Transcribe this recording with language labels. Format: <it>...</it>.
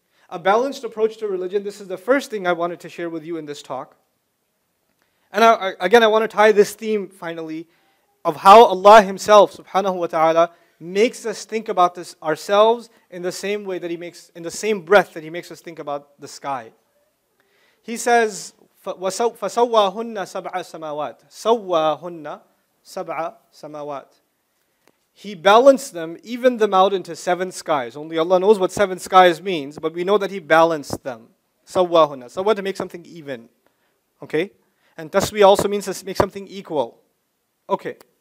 <en>A balanced approach to religion, this is the first thing I wanted to share with you in this talk. And I want to tie this theme finally of how Allah Himself,</en> <ar>subhanahu wa ta'ala,</ar> <en>makes us think about this ourselves in the same way that He makes, in the same breath that He makes us think about the sky. He says,</en> <ar>فَسَوَّاهُنَّ سَبْعَ سَمَاوَاتِ. سَوَّاهُنَّ سَبْعَ سَمَاوَاتِ.</ar> <en>He balanced them, evened them out into 7 skies. Only Allah knows what 7 skies means, but we know that He balanced them.</en> <ar>سَوَّاهُنَّ.</ar> <en>سَوَّا to make something even. Okay? And تَسْوِي also means to make something equal. Okay.</en>